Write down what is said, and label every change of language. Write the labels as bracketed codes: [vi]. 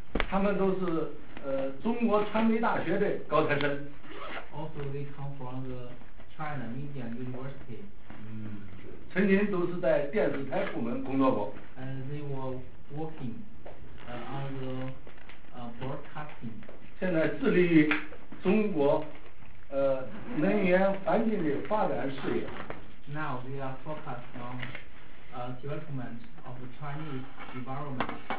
[zh] 他们都是中国传媒大学的高材生。 [en] Also, they come from the China Media University. [zh] 曾经都是在电视台部门工作过。 [en] And they were working on the broadcasting. [zh] 现在致力于中国能源环境的发展事业。 [en] Now they are focused on development of the Chinese environment.